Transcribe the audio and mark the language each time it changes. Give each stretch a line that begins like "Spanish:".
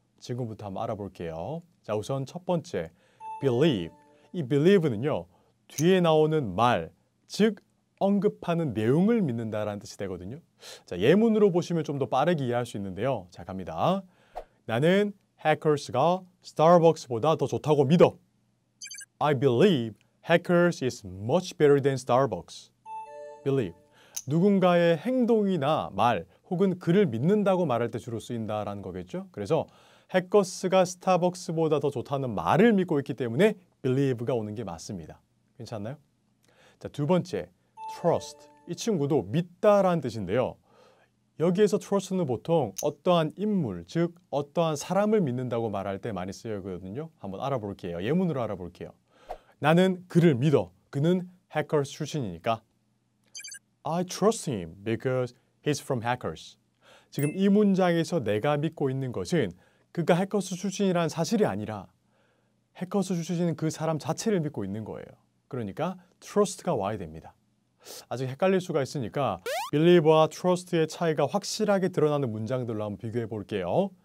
Korean: 지금부터 한번 알아볼게요. 자, 우선 첫 번째, believe. 이 believe는요, 뒤에 나오는 말, 즉 언급하는 내용을 믿는다라는 뜻이 되거든요. 자, 예문으로 보시면 좀 더 빠르게 이해할 수 있는데요. 자, 갑니다. 나는 hackers가 Starbucks보다 더 좋다고 믿어.
English: I believe hackers is much better than Starbucks. Believe.
Korean: 누군가의 행동이나 말 혹은 글을 믿는다고 말할 때 주로 쓰인다라는 거겠죠. 그래서 해커스가 스타벅스보다 더 좋다는 말을 믿고 있기 때문에 believe가 오는 게 맞습니다. 괜찮나요? 자, 두 번째, trust. 이 친구도 믿다라는 뜻인데요. 여기에서 trust는 보통 어떠한 인물, 즉 어떠한 사람을 믿는다고 말할 때 많이 쓰여거든요. 한번 알아볼게요. 예문으로 알아볼게요. 나는 그를 믿어. 그는 hackers 출신이니까.
English: I trust him because he's from hackers.
Korean: 지금 이 문장에서 내가 믿고 있는 것은 그가 해커스 출신이라는 사실이 아니라 해커스 출신인 그 사람 자체를 믿고 있는 거예요. 그러니까 trust가 와야 됩니다. 아직 헷갈릴 수가 있으니까 believe와 trust의 차이가 확실하게 드러나는 문장들로 한번 비교해 볼게요.